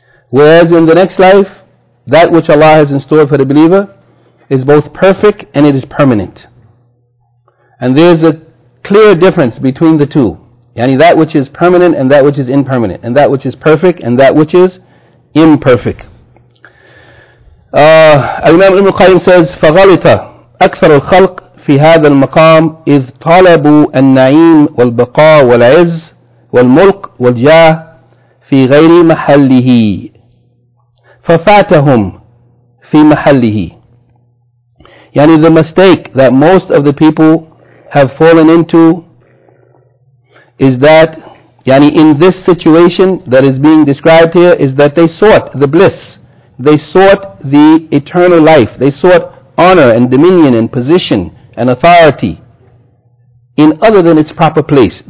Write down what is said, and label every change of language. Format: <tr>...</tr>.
<en>Whereas in the next life, that which Allah has in store for the believer is both perfect and it is permanent. And there is a clear difference between the two. Yani, that which is permanent and that which is impermanent. And that which is perfect and that which is imperfect. Imam Ibn Qayyim says,</en> <ar>فَغَلِطَ أَكْثَرُ الْخَلْقِ فِي هَذَا الْمَقَامِ إِذْ طَالَبُوا النَّعِيمِ وَالْبَقَاءِ وَالْعِزِّ وَالْمُلْكِ وَالْجَاهِ فِي غَيْرِ مَحَلِّهِ فَفَاتَهُمْ فِي مَحَلِّهِ.</ar> <en>Yani, the mistake that most of the people have fallen into is that, yani, in this situation that is being described here, is that they sought the bliss, they sought the eternal life, they sought honor and dominion and position and authority in other than its proper place.</en>